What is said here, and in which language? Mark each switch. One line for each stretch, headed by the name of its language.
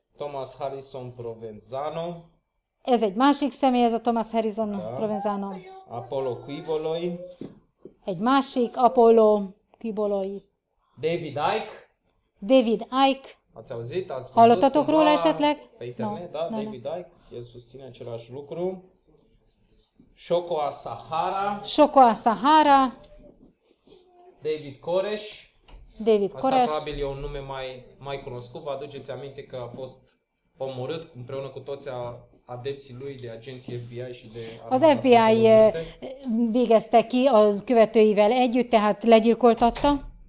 Hungarian: Thomas Harrison Provenzano. Ez egy másik személy, ez a Thomas Harrison ja. Provenzano. Apollo Quiboloi. Egy másik, Apollo Quiboloi. David Icke. David Icke.
Romanian: Ați auzit? Ați
Hungarian: hallottatok róla esetleg?
Romanian: Pe internet, no. Da, no, David no. Icke. El susține același lucru. Shoko Asahara. David Koresh. Asta probabil e un nume mai cunoscut. Vă aduceți aminte că a fost omorât împreună cu toți adepții lui de agenții FBI și de...
Hungarian: Az FBI végezte ki a követőivel együtt, tehát legyilkoltatta.